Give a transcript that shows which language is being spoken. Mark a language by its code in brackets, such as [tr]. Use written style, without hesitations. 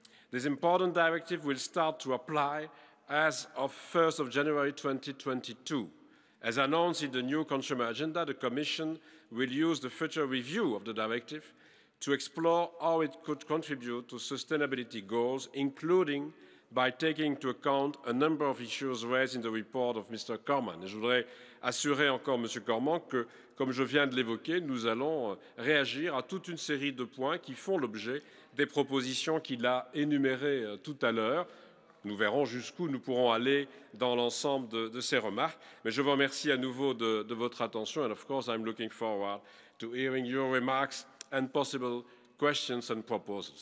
[en] This important directive will start to apply as of 1st of January 2022. As announced in the new consumer agenda, the Commission will use the future review of the directive to explore how it could contribute to sustainability goals, including by taking into account a number of issues raised in the report of Mr. Corman. [fr] Je voudrais assurer encore Monsieur Corman que, comme je viens de l'évoquer, nous allons réagir à toute une série de points qui font l'objet des propositions qu'il a énumérées tout à l'heure. Nous verrons jusqu'où nous pourrons aller dans l'ensemble de ces remarques. Mais je vous remercie à nouveau de votre attention. [en] And of course, I'm looking forward to hearing your remarks and possible questions and proposals.